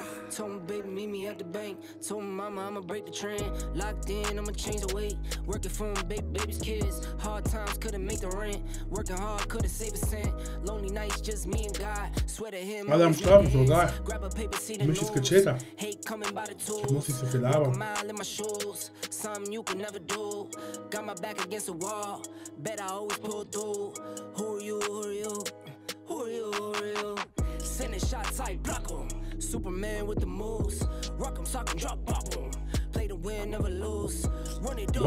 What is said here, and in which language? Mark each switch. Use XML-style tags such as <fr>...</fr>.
<en>Told my baby, meet me at the bank. Told my mama, I'ma break the trend. Locked in, I'ma change the weight. Working for my baby, baby's kids. Hard times, couldn't make the rent. Working hard, couldn't save a cent. Lonely nights, just me and God. Swear to him,</en> <de>alle am Strafen, so geil.</de> <en>Grab a paper, see the news.</en> <de>Ich muss nicht so viel labern.</de> <en>Make a mile in my shoes. Something you can never do. Got my back against the wall. Bet I always pull through. Who are you, who are you? Who are you, who are you? Sending shots, I block them. Superman with the moves. Rock 'em, sock 'em, drop bop 'em. Play to win, never lose. Run it up,</en>